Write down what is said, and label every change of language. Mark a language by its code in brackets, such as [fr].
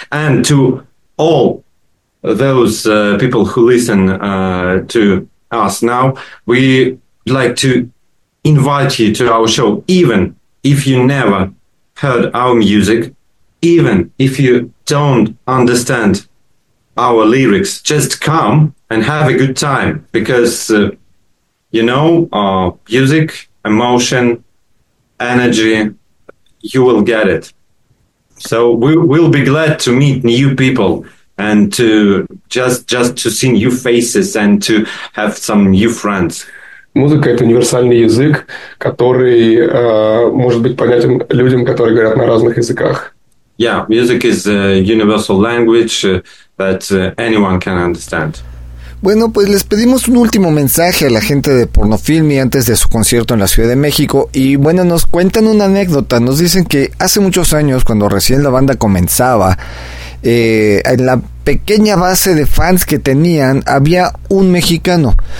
[en] And to all those people who listen to us now, we'd like to invite you to our show, even if you never heard our music, even if you don't understand our lyrics, just come and have a good time, because you know, our music, emotion, energy, you will get it. So we'll be glad to meet new people and to just to see new faces and to have some new friends. [ru] Музыка — это универсальный язык, который может быть понятен людям, которые говорят на разных языках. [en] Yeah, music is a universal language that anyone can understand. [es] Bueno, pues les pedimos un último mensaje a la gente de Pornofilmi antes de su concierto en la Ciudad de México. Y bueno, nos cuentan una anécdota. Nos dicen que hace muchos años, cuando recién la banda comenzaba, en la pequeña base de fans que tenían, había un mexicano.